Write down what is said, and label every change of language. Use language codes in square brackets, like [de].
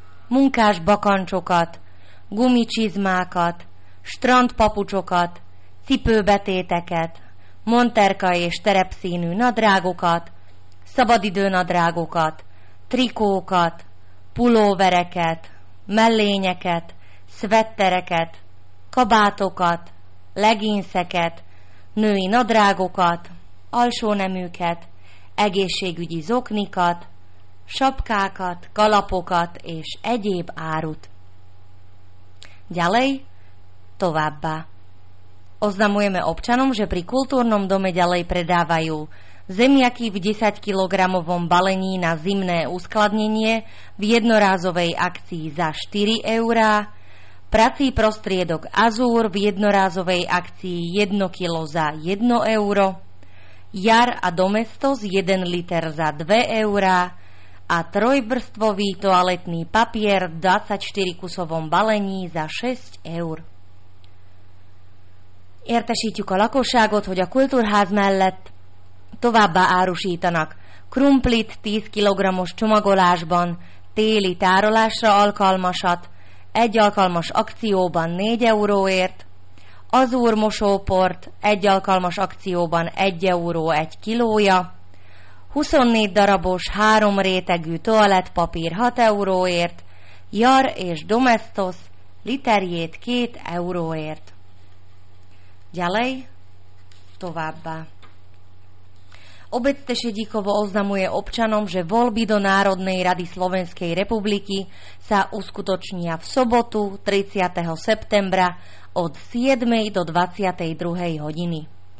[hu] munkás bakancsokat, gumicsizmákat, strandpapucsokat, cipőbetéteket, monterka és terepszínű nadrágokat, szabadidőnadrágokat, trikókat, pulóvereket, mellényeket, szvettereket, kabátokat, leginszeket, női nadrágokat, alsóneműket, egészségügyi zoknikat, sapkákat, kalapokat és egyéb árut. [sk] Ďalej, [hu] továbbá. [sk] Oznamujeme občanom, že pri kultúrnom dome ďalej predávajú zemiaky v 10-kilogramovom balení na zimné uskladnenie v jednorázovej akcii za 4 eurá, prací prostriedok Azur v jednorázovej akcii 1 kilo za 1 euro, jar a domestos 1 liter za 2 eurá a trojvrstvový toaletný papier v 24-kusovom balení za 6 eur. [hu] Értesítjük a lakosságot, hogy a kultúrház mellett továbbá árusítanak krumplit 10 kg-os csomagolásban, téli tárolásra alkalmasat, egy alkalmas akcióban 4 euróért, azúr mosóport egy alkalmas akcióban 1 euró 1 kilója, 24 darabos 3 rétegű toalettpapír 6 euróért, jar és domestos literjét 2 euróért. [sk] Ďalej, [hu] továbbá. [sk] Obec Tešedíkovo oznamuje občanom, že voľby do Národnej rady Slovenskej republiky sa uskutočnia v sobotu 30. septembra od 7. do 22. hodiny.